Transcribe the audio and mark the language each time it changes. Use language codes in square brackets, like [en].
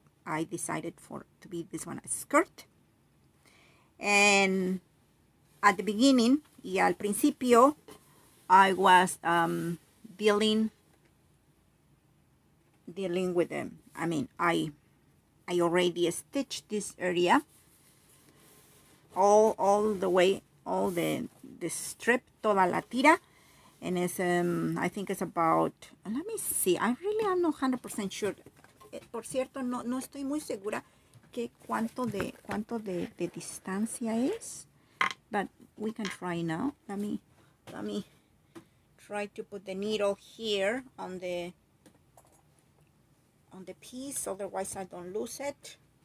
[en] I decided for to be this one a skirt. And at the beginning, [es] y al principio, [en] I was dealing with them. I mean, I already stitched this area all the way, all the strip, [es] toda la tira. [en] And it's, I think it's about, let me see, I really am not 100% sure. [es] Por cierto, no estoy muy segura que cuánto de distancia es. [en] But we can try now. Let me try to put the needle here on the piece, otherwise I don't lose it.